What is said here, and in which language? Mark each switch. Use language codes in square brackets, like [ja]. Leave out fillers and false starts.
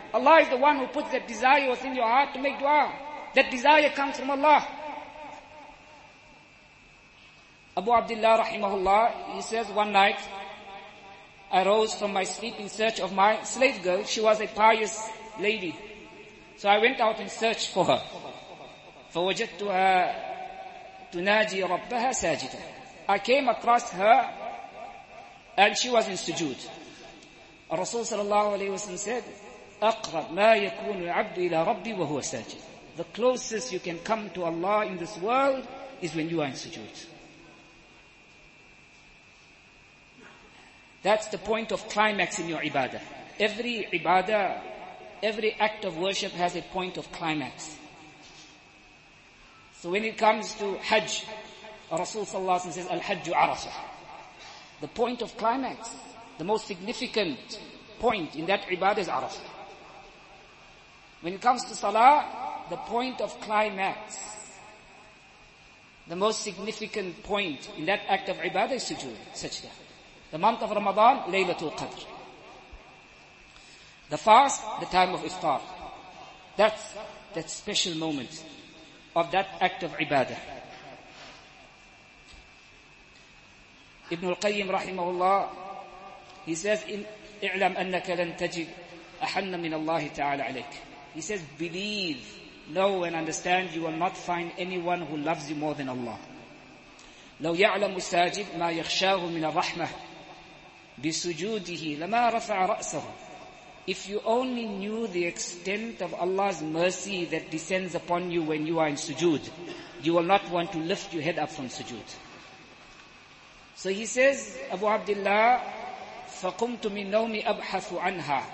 [en] Allah is the one who puts that desire within your heart to make dua. That desire comes from Allah. Abu Abdullah rahimahullah, he says, one night I rose from my sleep in search of my slave girl. She was a pious lady. So I went out in search for her. [ar] فوجدتها تناجي ربها ساجدة. [en] I came across her and she was in sujood. Rasul sallallahu alayhi wa sallam said, [ar] أقرب ما يكون العبد إلى ربي وهو ساجد. [en] The closest you can come to Allah in this world is when you are in sujood. That's the point of climax in your ibadah. Every ibadah, every act of worship has a point of climax. So when it comes to Hajj, Rasul sallallahu alayhi wa sallam says, Al-Hajju Arafah. The point of climax, the most significant point in that ibadah is Arafah. When it comes to Salah, the point of climax, the most significant point in that act of ibadah is sujood, sajda. The month of Ramadan, Laylatul Qadr. The fast, the time of iftar. That's that special moment of that act of ibadah. Ibn al-Qayyim rahimahullah, he says, [ar] اعلم أنك لن تجد أحن من الله تعالى عليك. [en] He says, believe, know and understand, you will not find anyone who loves you more than Allah. [ar] لو يعلم الساجد ما يخشاه من الرحمة بسجوده لما رفع رأسه. [en] If you only knew the extent of Allah's mercy that descends upon you when you are in sujood, you will not want to lift your head up from sujood. So he says, Abu Abdullah, [ar] فَقُمْتُ مِنْ نَوْمِ أَبْحَثُ عَنْهَا.